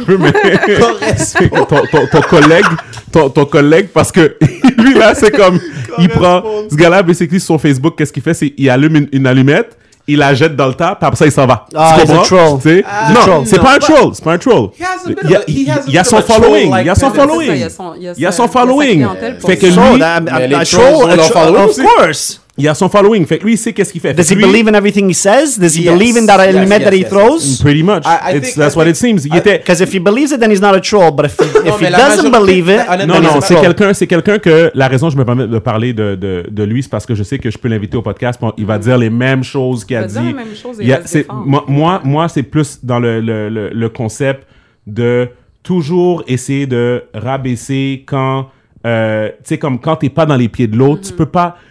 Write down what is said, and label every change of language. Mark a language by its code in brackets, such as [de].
[fr] Mais ton collègue, parce que lui là, c'est comme il prend ce gars-là, basically sur Facebook, qu'est-ce qu'il fait, c'est il allume une allumette, il la jette dans le tas, puis après ça il s'en va. Ah, c'est un troll. Non, c'est pas un troll. C'est pas un troll. Il a son following. Il a son following. Il a son following. Fait que lui, [en] of course. [fr] Il a son following. Fait que lui, il sait qu'est-ce qu'il fait. [en] Does he believe in everything he says? Does he believe in that element that he throws? Pretty much. That's what it seems. Because if he believes it, then he's not a troll. But if he doesn't believe it, [fr] non, c'est quelqu'un que la raison je me permets de parler de lui, c'est parce que je sais que je peux l'inviter au podcast. Puis il va dire les mêmes choses qu'il a dit. Il va dire les mêmes choses. Moi, c'est plus dans le concept de toujours essayer de rabaisser quand tu sais, comme quand t'es pas dans les pieds de l'autre, tu peux pas.